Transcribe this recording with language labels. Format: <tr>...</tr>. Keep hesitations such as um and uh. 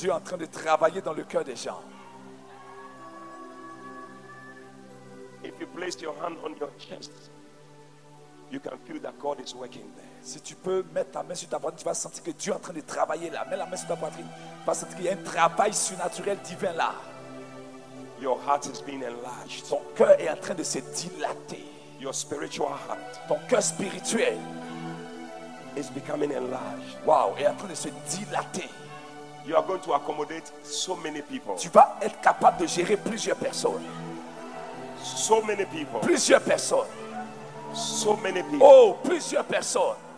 <fr>Dieu est en train de travailler dans le cœur des gens.</fr> <en>If you place your hand on your chest, you can feel that God is working there.</en> <fr>Si tu peux mettre ta main sur ta poitrine, tu vas sentir que Dieu est en train de travailler là. Mets la main sur ta poitrine. Tu vas sentir qu'il y a un travail surnaturel divin là.</fr> <en>Your heart is being enlarged.</en> <fr>Ton cœur est en train de se dilater.</fr> <en>Your spiritual heart.</en> <fr>Ton cœur spirituel</fr> <en>is becoming enlarged.</en> <fr>Wow, est en train de se dilater.</fr> <en>You are going to accommodate so many people.</en> <fr>Tu vas être capable de gérer plusieurs personnes.</fr> <en>So many people.</en> <fr>Plusieurs personnes. So many people. Oh, plusieurs personnes.</fr>